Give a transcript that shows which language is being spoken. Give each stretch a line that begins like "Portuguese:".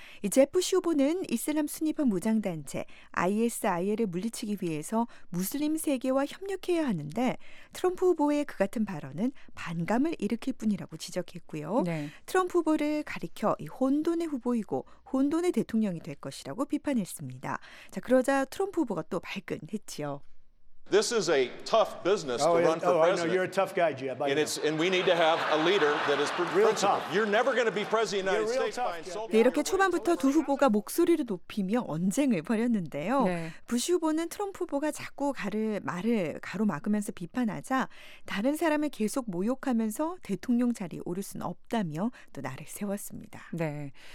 Korean: 이 제프 슈 후보는 이슬람 순위파 무장단체 ISIL을 물리치기 위해서 무슬림 세계와 협력해야 하는데 트럼프 후보의 그 같은 발언은 반감을 일으킬 뿐이라고 지적했고요. 네. 트럼프 후보를 가리켜 이 혼돈의 후보이고 혼돈의 대통령이 될 것이라고 비판했습니다. 자, 그러자 트럼프 후보가 또 발끈했지요.
English: This is a tough business to run for president. Oh, I know you're a tough guy, Jeb. And we need to have a leader that is principled. You're never going to be president of the United States.
Korean: 네, 이렇게 초반부터 두 후보가 목소리를 높이며 언쟁을 벌였는데요. 네. 부시 후보는 트럼프 후보가 자꾸 말을 가로막으면서 비판하자 다른 사람을 계속 모욕하면서 대통령 자리에 오를 수는 없다며 또 나를 세웠습니다. 네.